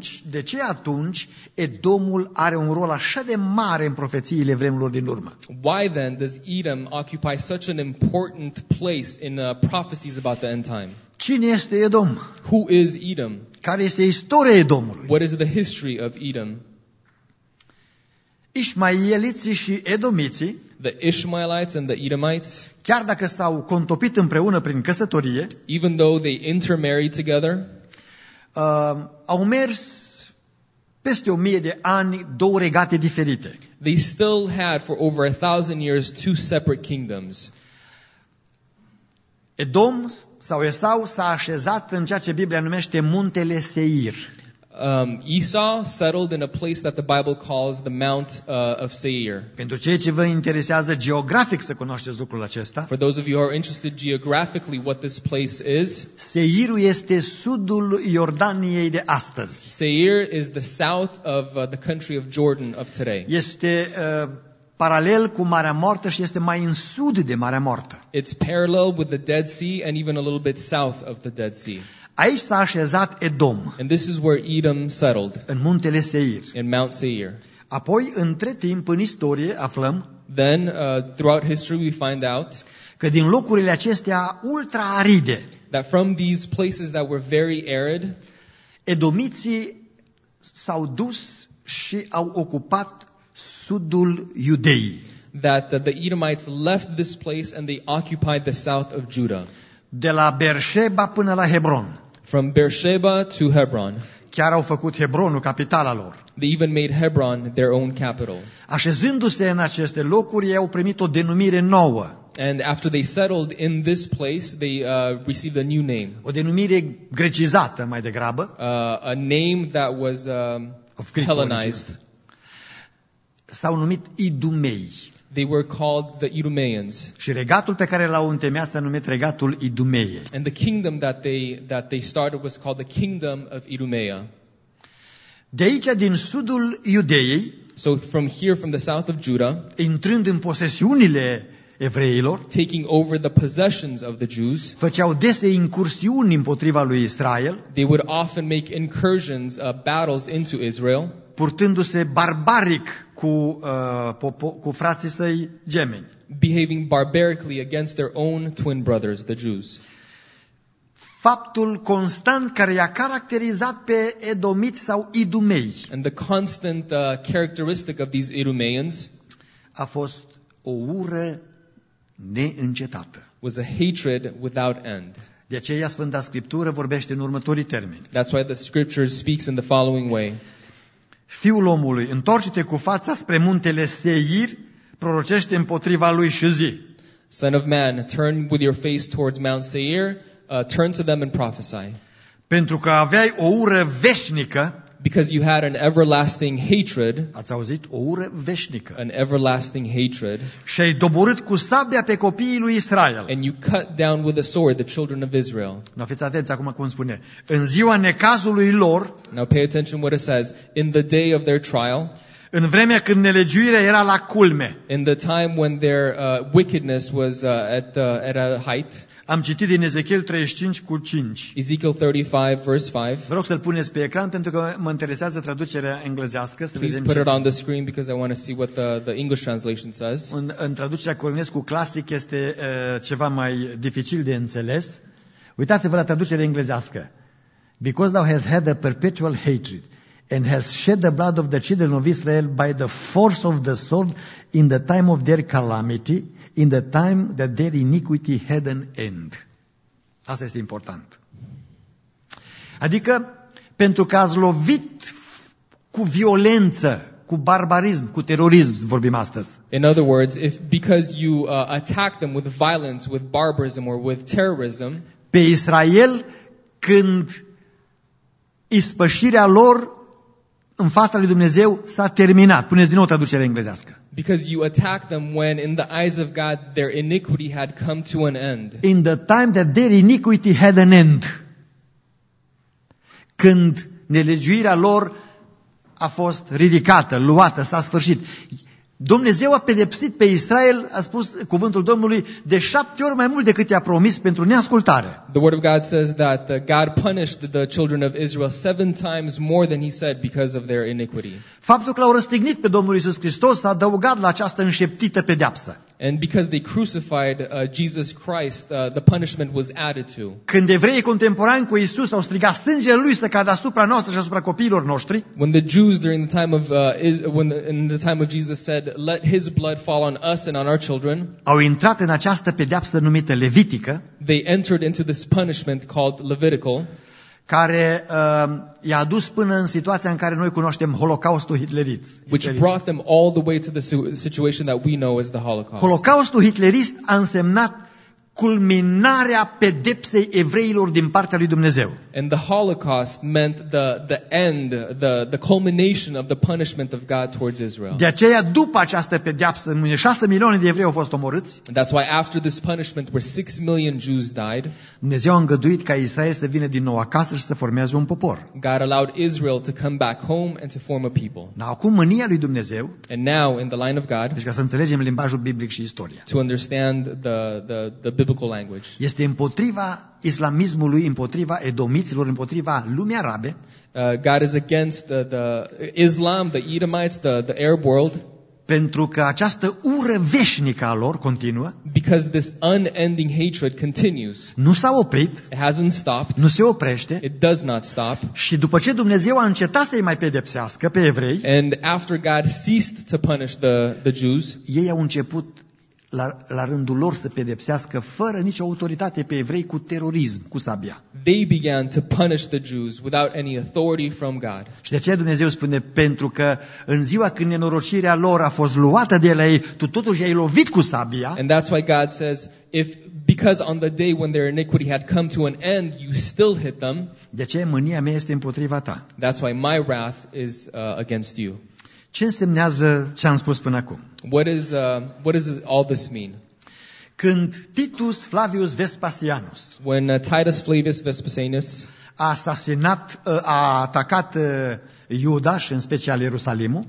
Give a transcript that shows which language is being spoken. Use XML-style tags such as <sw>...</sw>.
<ro>De ce atunci Edomul are un rol așa de mare în profețiile vremurilor din urmă?</ro> <en>Why then does Edom occupy such an important place in the prophecies about the end time?</en> <ro>Cine este Edom?</ro> <en>Who is Edom?</en> <ro>Care este istoria Edomului?</ro> <en>What is the history of Edom?</en> <ro>Ishmaeliții și edomiții,</ro> <en>the Ishmaelites and the Edomites,</en> <ro>chiar dacă s-au contopit împreună prin căsătorie,</ro> <en>even though they intermarried together,</en> <ro>au mers peste 1000 de ani două regate diferite.</ro> <en>They still had for over 1000 years two separate kingdoms.</en> <ro>Edom sau Esau s-a așezat în ceea ce Biblia numește Muntele Seir.</ro> <en>Esau settled in a place that the Bible calls the Mount of Seir.</en> <ro>Pentru cei ce vă interesează geografic să cunoașteți lucrul acesta.</ro> <en>For those of you who are interested geographically what this place is,</en> <ro>Seirul este sudul Iordaniei de astăzi.</ro> <en>Seir is the south of the country of Jordan of today.</en> <ro>Este paralel cu Marea Moartă și este mai în sud de Marea Moartă.</ro> <en>It's parallel with the Dead Sea and even a little bit south of the Dead Sea.</en> <ro>Aici s-a așezat Edom.</ro> <en>And this is where Edom settled.</en> <ro>În Muntele Seir.</ro> <en>In Mount Seir.</en> <ro>Apoi, între timp, în istorie, aflăm.</ro> <en>Then, throughout history, we find out</en> <ro>că din locurile acestea ultra aride,</ro> <en>that from these places that were very arid,</en> <ro>edomiții s-au dus și au ocupat sudul Iudeii.</ro> <en>That the Edomites left this place and they occupied the south of Judah.</en> <ro>De la Berșeba până la Hebron.</ro> <en>From Berșeba to Hebron.</en> <ro>Chiar au făcut Hebronul capitala lor.</ro> <en>They even made Hebron their own capital.</en> <ro>Așezându-se în aceste locuri, ei au primit o denumire nouă.</ro> <en>And after they settled in this place, they received a new name.</en> <ro>O denumire grecizată mai degrabă.</ro> <en>A name that was Hellenized.</en> <ro>S-au numit Idumei.</ro> <en>They were called the Idumeans.</en> <ro>Și regatul pe care l-au întemeiat s-a numit regatul Idumeie.</ro> <en>And the kingdom that they started was called the kingdom of Idumea.</en> <ro>De aici din sudul Iudeei,</ro> <en>so from here from the south of Judah,</en> <ro>intrând în posesiunile evreilor,</ro> <en>taking over the possessions of the Jews,</en> <ro>făceau dese incursiuni împotriva lui Israel,</ro> <en>they would often make incursions, battles into Israel,</en> <ro>purtându-se barbaric cu, cu frații săi gemeni,</ro> <en>behaving barbarically against their own twin brothers, the Jews.</en> <ro>Faptul constant care i-a caracterizat pe edomiți sau idumei.</ro> <en>And the constant characteristic of these Edomians</en> <ro>a fost o ură neîncetată.</ro> <en>Was a hatred without end.</en> <ro>De aceea Sfânta Scriptură vorbește în următorii termeni.</ro> <en>That's why the scripture speaks in the following way.</en> <ro>Fiul omului, întorce-te cu fața spre muntele Seir, prorocește împotriva lui și zi.</ro> <en>Son of man, turn with your face towards Mount Seir. Turn to them and prophesy.</en> <ro>Pentru că aveai o ură veșnică.</ro> <en>Because you had an everlasting hatred.</en> <ro>Ați auzit? O ură veșnică.</ro> <en>An everlasting hatred.</en> <ro>Și ai doborât cu sabia pe copiii lui Israel.</ro> <en>And you cut down with a sword the children of Israel.</en> <ro>Nu fiți atenți acum cum spune. În ziua necazului lor.</ro> <en>Now pay attention what it says. In the day of their trial.</en> <ro>În vremea când nelegiuirea era la culme.</ro> <en>In the time when their wickedness was at a height.</en> <ro>Am citit din Ezechiel 35 cu 5.</ro> <en>Ezekiel 35 verse 5.</en> <ro>Vă rog să-l puneți pe ecran pentru că mă interesează traducerea englezească, să vedem.</ro> <en>Please put it on the screen because I want to see what the English translation says.</en> <ro>În traducerea Cornescu clasic este ceva mai dificil de înțeles. Uitați-vă la traducerea englezească.</ro> <en>Because thou hast had a perpetual hatred and hast shed the blood of the children of Israel by the force of the sword in the time of their calamity. In the time that their iniquity had an end.</en> <ro>Asta este important. Adică, pentru că ați lovit cu violență, cu barbarism, cu terorism, vorbim astăzi.</ro> <en>In other words, if because you attack them with violence, with barbarism or with terrorism,</en> <ro>pe Israel, când ispășirea lor în fața lui Dumnezeu s-a terminat. Puneți din nou traducerea englezească.</ro> <en>Because you attack them when in the eyes of God their iniquity had come to an end. In the time that their iniquity had an end.</en> <ro>Când nelegiuirea lor a fost ridicată, luată, s-a sfârșit. Dumnezeu a pedepsit pe Israel, a spus cuvântul Domnului, de 7 ori mai mult decât i-a promis pentru neascultare.</ro> <en>The word of God says that God punished the children of Israel 7 times more than he said because of their iniquity.</en> <ro>Faptul că l-au răstignit pe Domnul Iisus Hristos s-a adăugat la această înșeptită pedeapsă.</ro> <en>And because they crucified Jesus Christ, the punishment was added to.</en> <ro>Când evreii contemporani cu Iisus au strigat sângele lui să cadă asupra noastră și asupra copiilor noștri,</ro> <en>when the Jews during the time of in the time of Jesus said, let his blood fall on us and on our children,</en> <ro>au intrat în această pedeapsă numită levitică,</ro> <en>they entered into this punishment called Levitical,</en> <ro>care i-a dus până în situația în care noi cunoaștem Holocaustul hitlerist.</ro> <en>Which brought them all the way to the situation that we know as the Holocaust.</en> <ro>Holocaustul hitlerist a însemnat culminarea pedepsei evreilor din partea lui Dumnezeu.</ro> <en>And the Holocaust meant the end, the culmination of the punishment of God towards Israel.</en> <ro>De aceea după această pedeapsă, 6 milioane de evrei au fost omorâți.</ro> <en>That's why after this punishment where 6 million Jews died,</en> <ro>Dumnezeu a îngăduit ca Israel să vină din nou acasă și să formeze un popor.</ro> <en>God allowed Israel to come back home and to form a people.</en> <ro>Na, acum mânia lui Dumnezeu.</ro> <en>And now in the line of God.</en> <ro>Deci ca să înțelegem limbajul biblic și istoria.</ro> <en>To understand the biblical language.</en> <ro>Este împotriva islamismului, împotriva edomiților, împotriva lumii arabe.</ro> <en>God is against the Islam, the Edomites, the Arab world.</en> <ro>Pentru că această ură veșnică a lor continuă.</ro> <en>Because this unending hatred continues.</en> <ro>Nu s-a oprit.</ro> <en>It hasn't stopped.</en> <ro>Nu se oprește.</ro> <en>It does not stop.</en> <ro>Și după ce Dumnezeu a încetat să-i mai pedepsească pe evrei,</ro> <en>and after God ceased to punish the Jews,</en> <ro>ei au început la rândul lor să pedepsească fără nicio autoritate pe evrei cu terorism, cu sabia.</ro> <en>They began to punish the Jews without any authority from God.</en> <ro>Și de aceea Dumnezeu spune, pentru că în ziua când nenorocirea lor a fost luată de la ei, tu totuși ai lovit cu sabia.</ro> <en>And that's why God says, if because on the day when their iniquity had come to an end, you still hit them.</en> <ro>De aceea mânia mea este împotriva ta.</ro> <en>That's why my wrath is against you.</en> <ro>Ce însemnează ce am spus până acum?</ro> <en>What does all this mean?</en> <ro>Când Titus Flavius Vespasianus,</ro> <en>when Titus Flavius Vespasianus</en> <ro>a atacat Iuda și în special Ierusalimul,</ro>